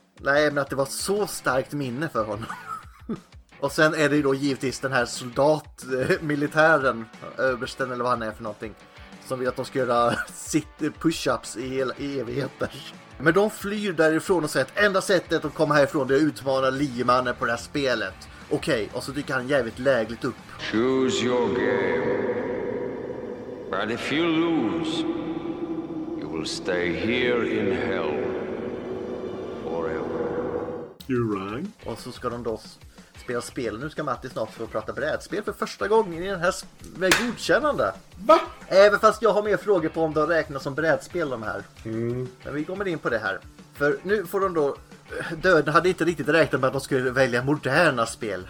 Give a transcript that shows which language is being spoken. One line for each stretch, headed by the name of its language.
Swedish: Nej, men att det var så starkt minne för honom. Och sen är det ju då givetvis den här soldatmilitären, översten eller vad han är för någonting, som vill att de ska göra sitt push-ups i evigheter. Men de flyr därifrån och säger att enda sättet att komma härifrån är att utmana liemannen på det här spelet. Okej, okay, och så dyker han jävligt lägligt upp.
English: Choose your game. But if you lose, you will stay here in hell forever. You're right.
Swedish: Och så ska de då spela spel. Nu ska Matti snart få prata brädspel för första gången i den här med godkännande. Va? Även fast jag har mer frågor på om de räknas som brädspel de här. Mm. Men vi kommer in på det här. För nu får de då... Döden hade inte riktigt räknat med att de skulle välja moderna spel.